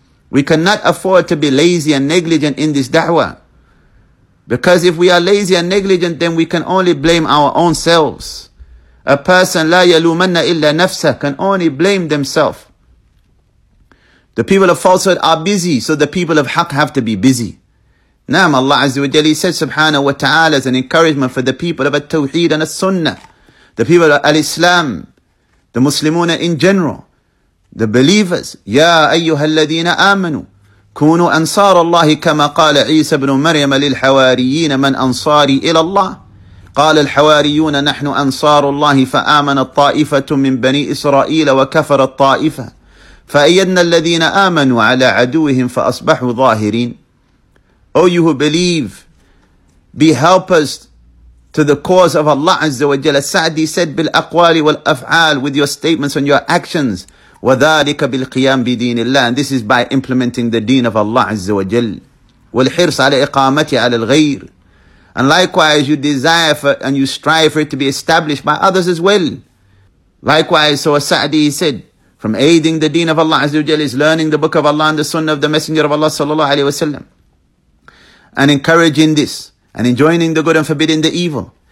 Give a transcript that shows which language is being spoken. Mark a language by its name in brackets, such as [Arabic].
[English] We cannot afford to be lazy and negligent in this da'wah. Because if we are lazy and negligent, then we can only blame our own selves. A person, [Arabic] لا يلومن إلا نفسه, [English] can only blame themselves. The people of falsehood are busy, so the people of haq have to be busy. Naam, Allah Azza wa Jalla said subhanahu wa ta'ala as an encouragement for the people of al-Tawheed and al-Sunnah, the people of al-Islam, the Muslimuna in general, the believers, [Arabic] يَا أَيُّهَا الَّذِينَ آمَنُوا كونوا أنصار الله كما قال عيسى بن مريم للحواريين من أنصاري إلى الله قال الحواريون نحن أنصار الله فآمن الطائفة من بني إسرائيل وكفر الطائفة فأيدنا الذين آمنوا على عدوهم فأصبحوا ظاهرين. [English] O you who believe, be helpers to the cause of Allah Azza wa Jalla. Sa'di said, [Arabic] بالأقوال والأفعال, [English] with your statements and your actions, [Arabic] وذلك بالقيام بدين الله. [English] And this is by implementing the deen of Allah عز وجل. [Arabic] والحرص على إقامته على الغير. [English] And likewise, you desire for and you strive for it to be established by others as well. Likewise, so As-Sa'di said, from aiding the deen of Allah عز وجل is learning the book of Allah and the sunnah of the messenger of Allah صلى الله عليه وسلم. And encouraging this, and enjoining the good and forbidding the evil.